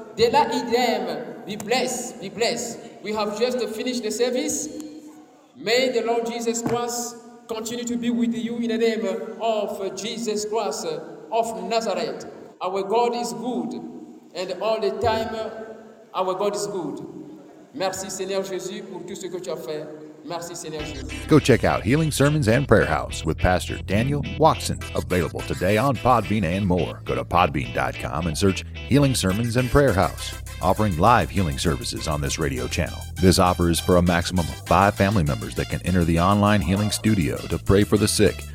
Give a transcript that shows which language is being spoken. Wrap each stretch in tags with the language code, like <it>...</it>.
<en>Dila Idem, be blessed. We have just finished the service. May the Lord Jesus Christ continue to be with you in the name of Jesus Christ of Nazareth. Our God is good, and all the time, our God is good.</en> <fr>Merci Seigneur Jésus pour tout ce que tu as fait. Merci Seigneur Jésus.</fr> <en>Go check out Healing Sermons and Prayer House with Pastor Daniel Watson, available today on Podbean and more. Go to podbean.com and search Healing Sermons and Prayer House, offering live healing services on this radio channel. This offer is for a maximum of 5 family members that can enter the online healing studio to pray for the sick.</en>